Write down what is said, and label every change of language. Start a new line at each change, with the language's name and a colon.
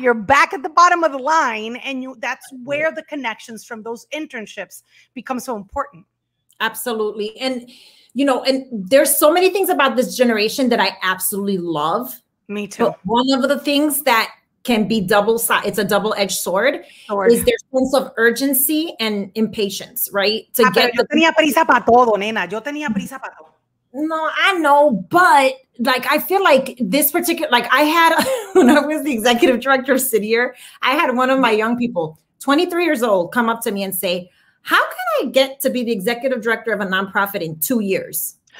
English: You're back at the bottom of the line. And that's where the connections from those internships become so important. Absolutely. And, you know, and there's so many things about this generation that I absolutely love. Me too. But one of the things that can be it's a double-edged sword. Is their sense of urgency and impatience, right? To get
Spanish: yo tenía prisa para todo, nena. Yo tenía prisa para todo.
English: No, I know, but like, I feel like this particular, like I had, when I was the executive director of Cityer, I had one of my young people, 23 years old, come up to me and say, how can I get to be the executive director of a nonprofit in 2 years?